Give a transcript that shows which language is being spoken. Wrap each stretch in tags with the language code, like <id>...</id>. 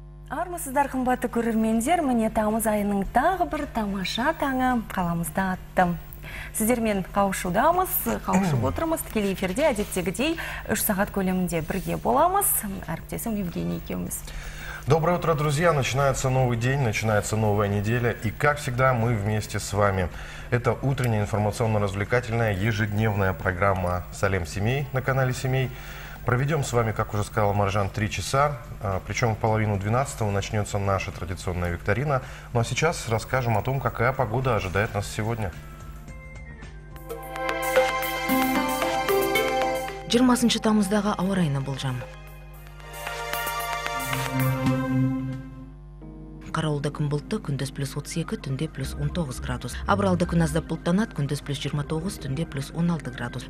<kk>Амансыздар, қымбатты көрермендер, міне тамыз айының тағы бір тамаша таңы қаламызда атты. Сіздермен қауышудамыз, қауышып отырмыз, тікелей эфирде әдеттегідей 3 сағат көлемінде бірге боламыз. Әріптесім Евгений екеуміз.</kk> <ru>Доброе утро, друзья! Начинается новый день, начинается новая неделя, и как всегда мы вместе с вами. Это утренняя информационно-развлекательная ежедневная программа «Салем Семей» на канале «Семей». Проведем с вами, как уже сказала Маржан, 3 часа, причем в половину 12-го начнется наша традиционная викторина. Ну а сейчас расскажем о том, какая погода ожидает нас сегодня.</ru> <kk>20-ші тамыздағы ауа райына болжам. Қарауылда күн бұлтты, күндіз плюс 32, түнде плюс 19 градус. Абралды күн аздап бұлттанады, күндіз плюс 29, түнде плюс 16 градус.</kk>